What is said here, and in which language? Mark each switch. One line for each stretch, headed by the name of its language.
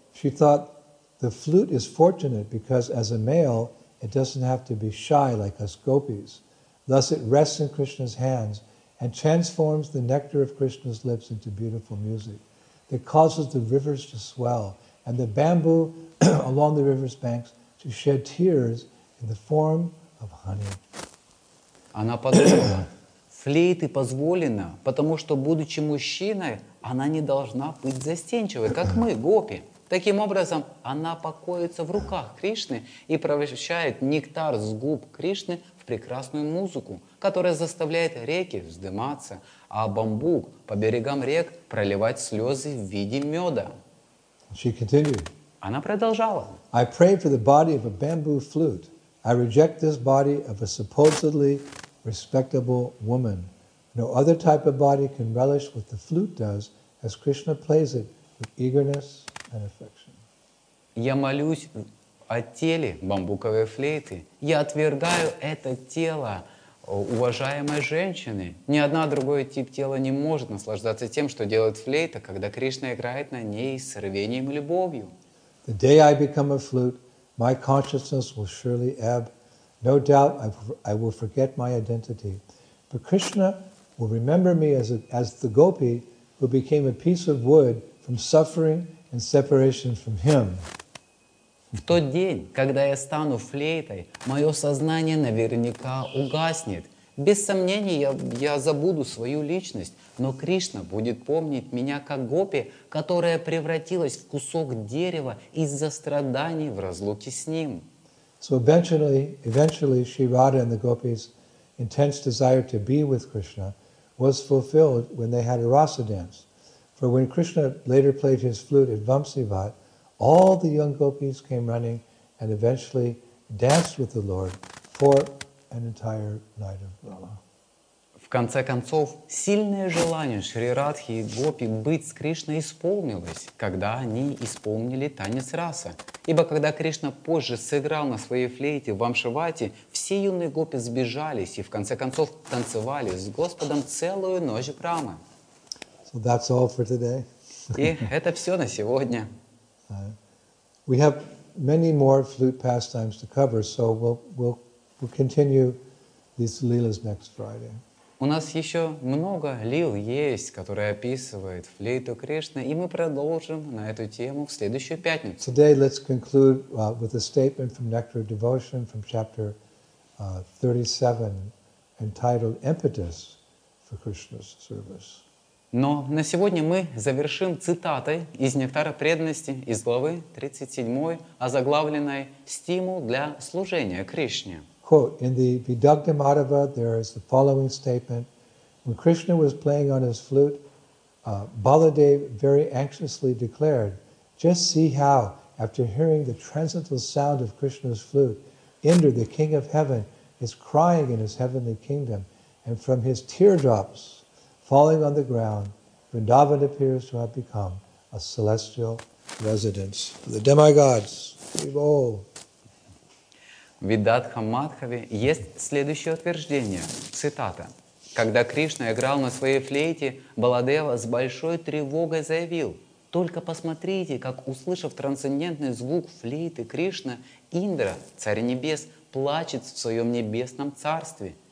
English: She thought, the flute is fortunate because as a male, it doesn't have to be shy like us gopis. Thus it rests in Krishna's hands and transforms the nectar of Krishna's lips into beautiful music that causes the rivers to swell and the bamboo along the river's banks to shed tears in the form of honey.
Russian: Она подумала, флейты позволено, потому что, будучи мужчиной, она не должна быть застенчивой, как мы, гопи. Таким образом, она покоится в руках Кришны и превращает нектар с губ Кришны в прекрасную музыку, которая заставляет реки вздыматься, а бамбук по берегам рек проливать слезы в виде меда.
English: She continued.
Russian: Она продолжала.
English: I pray for the body of a bamboo flute. I reject this body of a supposedly respectable woman. No other type of body can relish what the flute does as Krishna plays it with eagerness and affection.
Russian: Я молюсь о теле бамбуковой флейты. Я отвергаю это тело уважаемой женщины. Ни одна другой тип тела не может наслаждаться тем, что делает флейта, когда Кришна играет на ней с рвением и любовью.
English: The day I become a flute, my consciousness will surely ebb. No doubt I will forget my identity, but Krishna will remember me as the gopi who became a piece of wood from suffering and separation from him.
Russian: В тот день, когда я стану флейтой, мое сознание наверняка угаснет. Без сомнений, я забуду свою личность, но Кришна будет помнить меня как гопи, которая превратилась в кусок дерева из-за страданий в разлуке с ним.
English: So eventually Shri Radha and the gopis' intense desire to be with Krishna was fulfilled when they had a rasa dance. For when Krishna later played his flute at Vamsivat, all the young gopis came running and eventually danced with the Lord for an entire night of Rama.
Russian: В конце концов, сильное желание Шри Радхи и гопи быть с Кришной исполнилось, когда они исполнили танец раса. Ибо когда Кришна позже сыграл на своей флейте в Вамшивате, все юные гопи сбежались и в конце концов танцевали с Господом целую ночь Брамы.
English: So that's all for today.
Russian: И это все на сегодня.
English: We have many more flute pastimes to cover, so we'll continue these lilas next Friday.
Russian: У нас еще много лил есть, которые описывают флейту Кришны, и мы продолжим на эту тему в следующую пятницу.
English: Today let's conclude with a statement from Nectar of Devotion from chapter 37, entitled "Impetus for Krishna's Service."
Russian: Но на сегодня мы завершим цитатой из «Нектара преданности» из главы 37, озаглавленной «Стимул для служения Кришне».
English: Quote, in the Vidugdha Madhava, there is the following statement. When Krishna was playing on his flute, Baladev very anxiously declared, just see how, after hearing the transcendental sound of Krishna's flute, Indra, the king of heaven, is crying in his heavenly kingdom, and from his teardrops falling on the ground, Vrindavan appears to have become a celestial residence for the demigods. Behold.
Russian: В Видадха Мадхаве есть следующее утверждение, цитата. Когда Кришна играл на своей флейте, Баладева с большой тревогой заявил, «Только посмотрите, как, услышав трансцендентный звук флейты Кришна, Индра, Царь Небес, плачет в своем небесном царстве.